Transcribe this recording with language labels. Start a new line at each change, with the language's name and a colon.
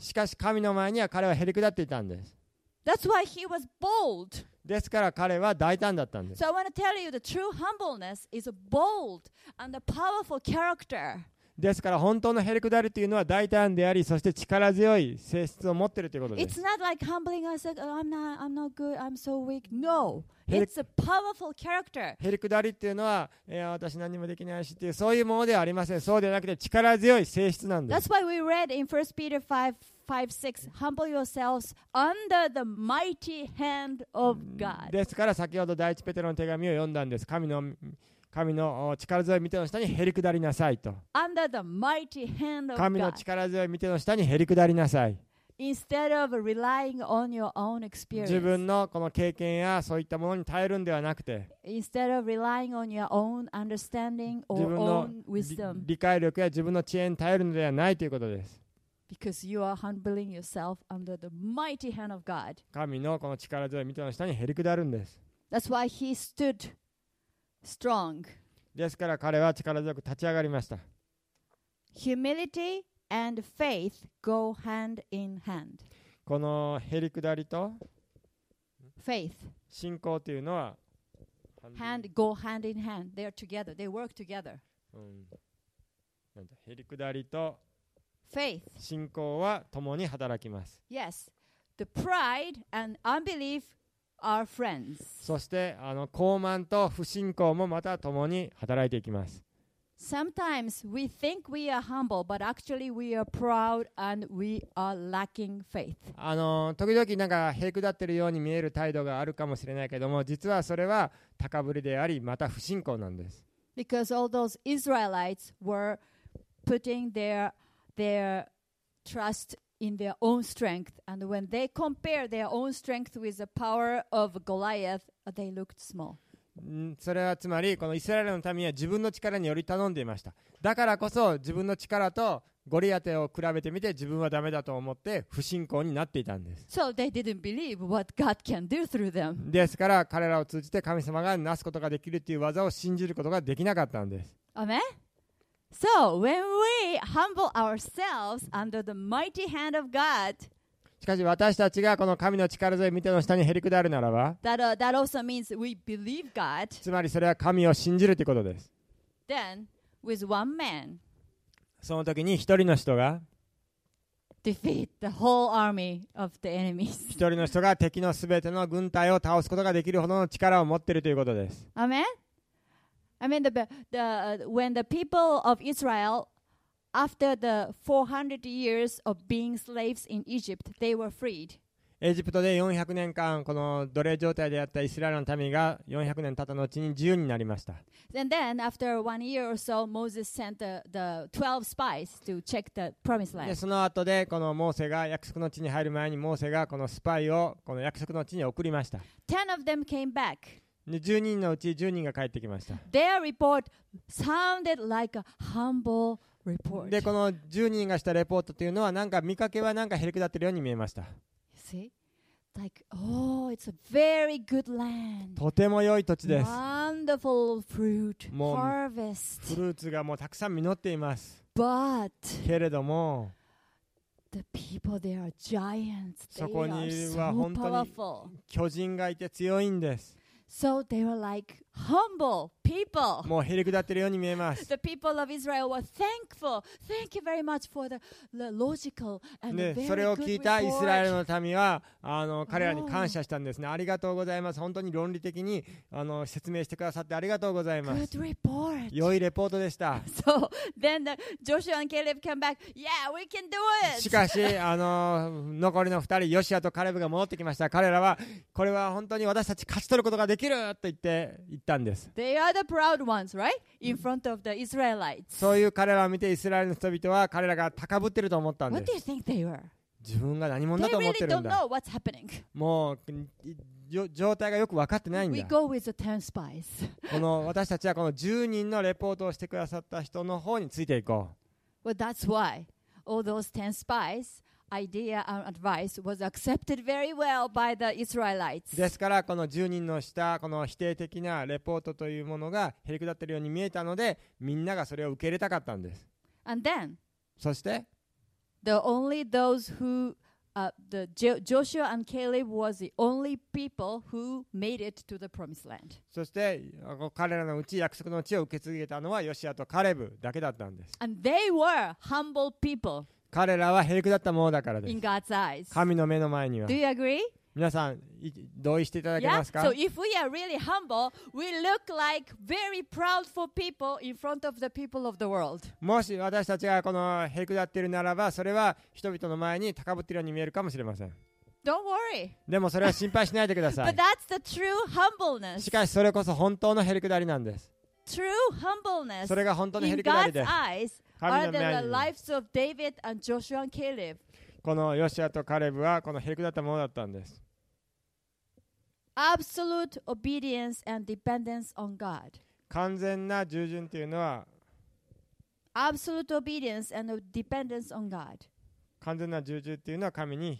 Japanese: しかし神の前には彼はへりくだっていたんです。
English: That's why he was bold.
Japanese: ですから彼は大胆だったんです。
English: So I want to tell you the true humbleness is a bold and a powerful character.
Japanese: ですから本当のへりくだりというのは大胆であり、そして力強い性質を持っているということです。
English: It's not like humbling us like, "Oh, I'm not good. I'm so weak." No. It's a powerful character.
Japanese: へりくだりっていうのは、私何もできないしっていうそういうものではありません。そうではなくて力強い性質なんです。
English: That's why we read in 1 Peter 5:6, "Humble yourselves under the mighty hand of God."
Japanese: ですから先ほど第一ペテロの手紙を読んだんです。神の力強い御手の下にへりくだりなさいと。
English: Under the mighty hand of God.
Japanese: 神の力強い御手の下にへりくだりなさい。
English: Instead of relying on your own experience,
Japanese: 自分のこの経験やそういったものに耐えるんではなくて、
English: Instead of relying on your own understanding or own wisdom,
Japanese: 理解力や自分の知恵に耐えるのではないということです。
English: Because you are humbling yourself under the mighty hand of God.
Japanese: 神のこの力強い御手の下にへりくだるんです。
English: That's why he stood strong.
Japanese: ですから彼は力強く立ち上がりました。
English: Humility. And faith go hand in hand.
Japanese: このへりくだりと
English: faith
Japanese: 信仰というのは
English: hand go hand in hand. They are together. They work together.
Japanese: へりくだりと
English: faith
Japanese: 信仰は共に働きます。
English: Yes, the pride and unbelief are friends.
Japanese: そして傲慢と不信仰もまた共に働いていきます。
English: Sometimes we think we are humble, but actually we are proud and we are lacking faith.
Japanese: 時々なんかへりくだってるように見える態度があるかもしれないけども、実はそれは高ぶりであり、また不信仰なんです。
English: Because all those Israelites were putting their trust in their own strength. And when they compare their own strength with the power of Goliath, they looked small.
Japanese: それはつまりこのイスラエルの民は自分の力により頼んでいました。だからこそ自分の力とゴリアテを比べてみて自分はダメだと思って不信仰になっていたんです。
English: So they didn't believe what God can do through them.
Japanese: ですから彼らを通じて神様がなすことができるという技を信じることができなかったんです。
English: Amen? So when we humble ourselves under the mighty hand of God
Japanese: しかし私たちがこの神の力添え見ての下にへりくだるならば
English: that also means we believe God.
Japanese: つまりそれは神を信じるということです。
English: Then, with one man,
Japanese: その時に一人の人が
English: defeat the whole army of the enemies.
Japanese: 一人の人が敵のすべての軍隊を倒すことができるほどの力を持っているということです。
English: Amen? I mean, when the people of IsraelAfter the 400 years of being slaves in Egypt, they were freed.
Japanese: エジプトで400年間この奴隷状態であったイスラエルの民が400年経った後に自由になりました。
English: And then, after one year or so, Moses sent the 12 spies to check the promised land.
Japanese: で、その後でこのモーセが約束の地に入る前にモーセがこのスパイをこの約束の地に送りました。
English: 10 of them came back.
Japanese: で10人のうち10人が帰ってきました。
English: Their report sounded like a humble report.
Japanese: でこの10人がしたレポートというのはなんか見かけはなんかへりくだってるように見えました。
English: You see? Like, oh, it's a very good land.
Japanese: とても良い土地です。
English: Wonderful fruit harvest.
Japanese: フルーツがもうたくさん実っています。
English: But
Japanese: けれども
English: The people, they are giants.
Japanese: そこには本当に巨人がいて強いんです。
English: So they were like humble people.
Japanese: もうへりくだってるように見えます。
English: The people of Israel were thankful. Thank you very much for the logical and very good report.
Japanese: それを聞いたイスラエルの民は彼らに感謝したんですね。ありがとうございます。本当に論理的に説明してくださってありがとうございます。
English: Good report.
Japanese: 良いレポートでした。
English: So then the Joshua and Caleb came back. Yeah, we can do it.
Japanese: しかし残りの二人、ヨシアとカレブが戻ってきました。彼らはこれは本当に私たち勝ち取ることができると言ったんです。
English: They are the proud ones, right? In front of the Israelites.
Japanese: そういう彼らを見てイスラエルの人々は彼らが高ぶってると思ったんです。
English: What do you think they were?
Japanese: 自分が何者だと思ってるんだ。
English: They really don't know what's happening.
Japanese: もう状態がよく分かってないんだ。
English: We go with the 10 spies.
Japanese: この私たちはこの10人のレポートをしてくださった人の方についていこう。
English: Well, that's why all those 10 spies. Idea and advice was accepted very well by the Israelites.
Japanese: ですからこの10人のしたこの否定的なレポートというものがへりくだってるように見えたのでみんながそれを受け入れたかったんです。
English: And then,
Japanese: そして
English: the only those who, the Joshua and Caleb was the only people who made it to the promised land.
Japanese: そして彼らのうち約束の地を受け継げたのはヨシアとカレブだけだったんです。
English: And they were humble people.
Japanese: 彼らはへりくだったものだからです。
English: In God's eyes.
Japanese: 神の目の前には。
English: Do you agree?
Japanese: 皆さん同意していただけますか
English: ？Yeah. So if we are really humble, we look like very proudful people in front of the people of the world.
Japanese: もし私たちがこのへりくだっているならば、それは人々の前に高ぶっているように見えるかもしれません。
English: Don't worry.
Japanese: でもそれは心配しないでください。
English: But that's the true humbleness.
Japanese: しかしそれこそ本当のへりくだりなんです。
English: True humbleness.
Japanese: それが本当のへりくだりです。
English: In God's eyes. Are the lives of David and Joshua and Caleb?
Japanese: このヨシアとカレブはこのへりくだったものだったんです。
English: Absolute obedience and dependence on God.
Japanese: 完全な従順というのは、
English: Absolute obedience and dependence on God.
Japanese: 完全な従順というのは神に。